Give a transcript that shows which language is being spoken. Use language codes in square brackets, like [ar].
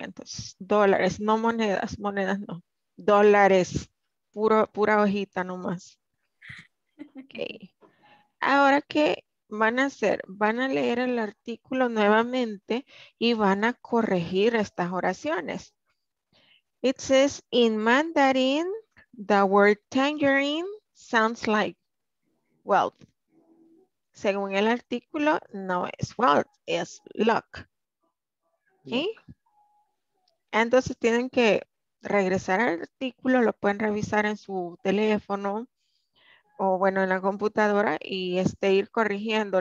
[es] Entonces, dólares, no monedas, monedas no. Dólares, pura hojita nomás. Okay. Ahora que van a hacer, van a leer el artículo nuevamente y van a corregir estas oraciones. [en] It says, in Mandarin, the word tangerine sounds like wealth. [es] Según el artículo, no es wealth, es luck. ¿Sí? Entonces tienen que regresar al artículo, lo pueden revisar en su teléfono. O bueno, en la computadora y ir corrigiendo.